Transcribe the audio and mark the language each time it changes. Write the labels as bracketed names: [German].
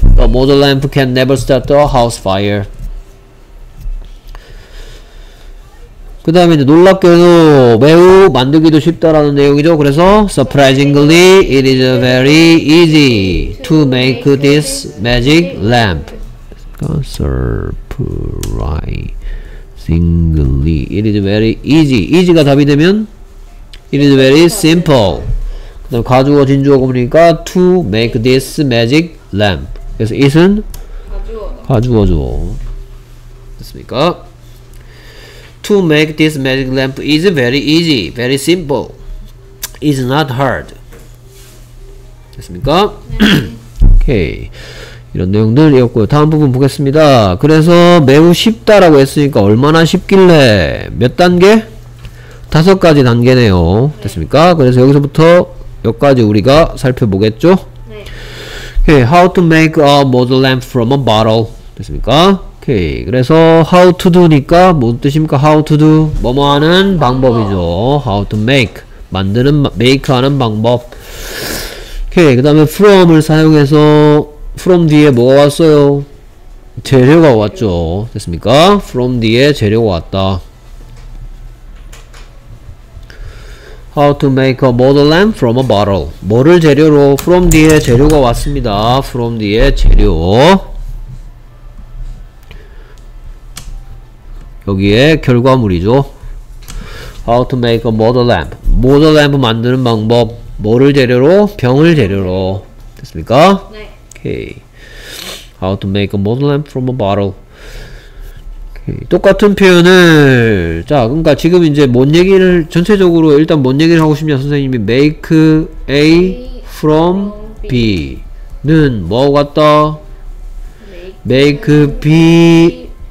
[English] The motor lamp can never start a house fire. [Korean] 그 다음에 이제 놀랍게도 매우 만들기도 쉽다라는 내용이죠. [English] 그래서 surprisingly, it is very easy to make this magic lamp. Surprisingly, it is very easy. Easy가 [Korean] 답이 되면 [English] it is very simple. [Korean] 그 가주어 진주어 고문이니까 [English] to make this magic lamp. [Korean] 그래서 it은 가주어죠. 됐습니까? [English] To make this magic lamp is very easy, very simple. Is not hard. [Korean] 됐습니까? 오케이. 이런 내용들이었고요. 다음 부분 보겠습니다. 그래서 매우 쉽다라고 했으니까 얼마나 쉽길래 몇 단계? 다섯 가지 단계네요. 됐습니까? 그래서 여기서부터 여기까지 우리가 살펴보겠죠? 네. [English] Okay, how to make a model lamp from a bottle. [Korean] 됐습니까? Okay, 그래서 how to do니까 뭔 뜻입니까? [English] How to do. [Korean] 뭐뭐 하는 방법이죠. [English] How to make. [Korean] 만드는, make 하는 방법. Okay, 그 다음에 from을 사용해서 from 뒤에 뭐가 왔어요? 재료가 왔죠. 됐습니까? From 뒤에 재료가 왔다. [English] How to make a model lamp from a bottle. [Korean] 뭐를 재료로? From 뒤에 재료가 왔습니다. From 뒤에 재료. 여기에 결과물이죠. [English] How to make a model lamp. [Korean] Model lamp 만드는 방법. 뭐를 재료로? 병을 재료로. 됐습니까? 네. [English] Okay. How to make a model lamp from a bottle. [Korean] 똑같은 표현을 자 그러니까 지금 이제 뭔 얘기를 전체적으로 일단 뭔 얘기를 하고 싶냐 선생님이 make A from B 는 뭐 같다? [English] make B